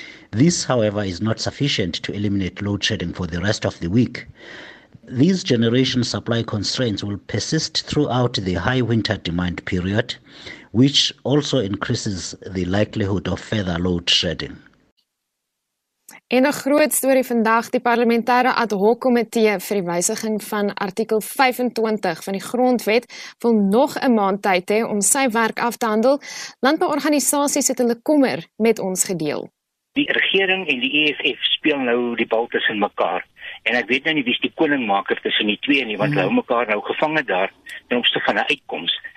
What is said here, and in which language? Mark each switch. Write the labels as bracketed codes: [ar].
[en] This, however, is not sufficient to eliminate load shedding for the rest of the week. These generation supply constraints will persist throughout the high winter demand period, which also increases the likelihood of further load shedding. [af] En 'n groot storie vandag, die parlementêre ad hoc komitee vir die wysiging van artikel 25 van die grondwet wil nog 'n maand tyd hê om sy werk af te handel. Landbouorganisasies het hulle kommer met ons gedeel. Die regering en die EFF speel nou die bal tussen mekaar. En ek weet nou nie wie die koningmaker tussen die twee nie, want hulle mekaar nou gevange daar ten opsigte van 'n uitkoms.